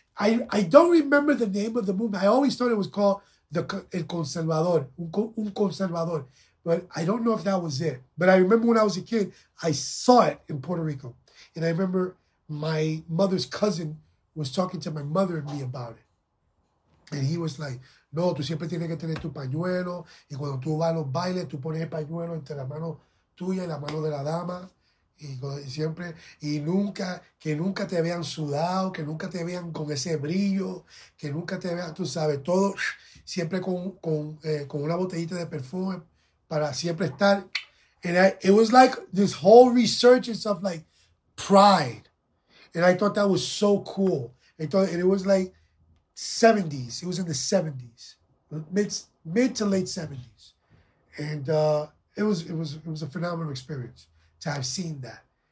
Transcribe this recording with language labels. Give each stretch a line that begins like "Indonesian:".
English: I don't remember the name of the movement. I always thought it was called El Conservador, un conservador. But I don't know if that was it. But I remember when I was a kid, I saw it in Puerto Rico. And I remember my mother's cousin was talking to my mother and me about it. And he was like,
Spanish: no, tú siempre tienes que tener tu pañuelo. Y cuando tú vas a los bailes, tú pones el pañuelo entre la mano tuya y la mano de la dama. Y siempre, y nunca, que nunca te vean sudado, que nunca te vean con ese brillo, que nunca te vean, tú sabes, todo, siempre con una botellita de perfume para siempre estar.
English: And it was like this whole resurgence of like pride. And I thought that was so cool. And it was like 70s. It was in the 70s, mid to late 70s. And it was a phenomenal experience. To have seen that.